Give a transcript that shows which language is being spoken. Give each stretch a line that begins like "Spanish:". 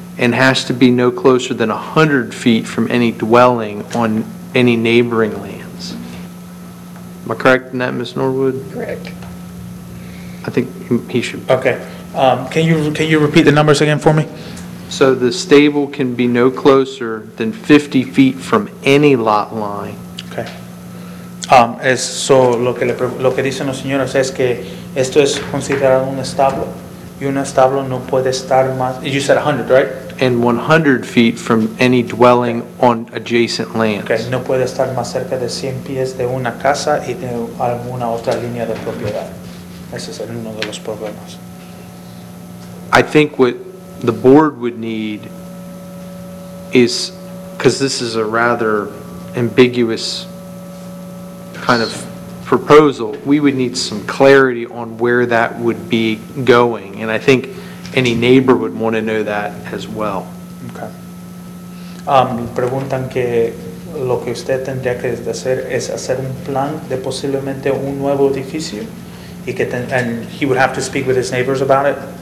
English: and has to be no closer than 100 feet from any dwelling on any neighboring lands. Am I correct in that, Ms. Norwood? Correct. I think he should. Okay. Can you repeat the numbers again for me? So the stable can be no closer than 50 feet from any lot line. Okay.
Spanish: Eso lo que dicen los señores es que esto es considerado un establo. Y un establo no puede estar más.
English: You said 100, right? And 100 feet from any dwelling okay. on adjacent land. Okay.
Spanish: No puede estar más cerca de 100 pies de una casa y de alguna otra línea de propiedad. Ese es uno de los problemas.
English: I think what the board would need is, because this is a rather ambiguous kind of proposal, we would need some clarity on where that would be going. And I think any neighbor would want to know that as well. Okay.
Spanish: Preguntan que lo que usted tendría que hacer es hacer un plan de posiblemente un nuevo edificio.
English: And he would have to speak with his neighbors about it.